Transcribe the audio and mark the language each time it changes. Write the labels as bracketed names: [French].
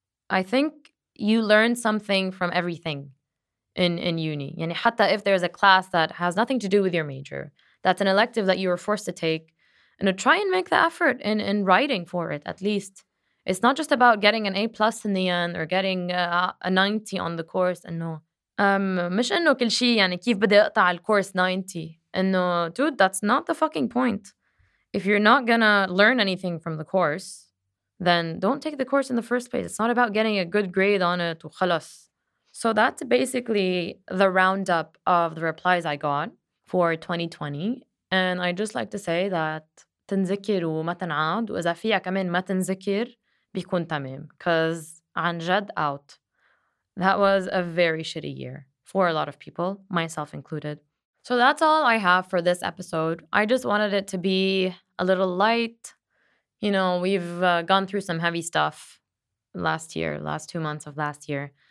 [English] I think you learn something from everything in uni. [Arabic] يعني حتى [English] if there's a class that has nothing to do with your major, that's an elective that you were forced to take, and try and make the effort in writing for it, at least. It's not just about getting an A+ in the end or getting a 90 on the course. [Arabic] مش إنه كل شيء يعني كيف بدي أقطع الكورس 90. [English] And no, dude, that's not the fucking point. If you're not gonna learn anything from the course, then don't take the course in the first place. It's not about getting a good grade on it. [Arabic] وخلص. [English] So that's basically the roundup of the replies I got for 2020. And I just like to say that [Arabic] تنذكر وما تنعاد وإذا فيها كمان ما تنذكر بيكون تمام. [English] Cause [Arabic] عن جد [English] out. That was a very shitty year for a lot of people, myself included. So that's all I have for this episode. I just wanted it to be a little light. You know, we've gone through some heavy stuff last 2 months of last year.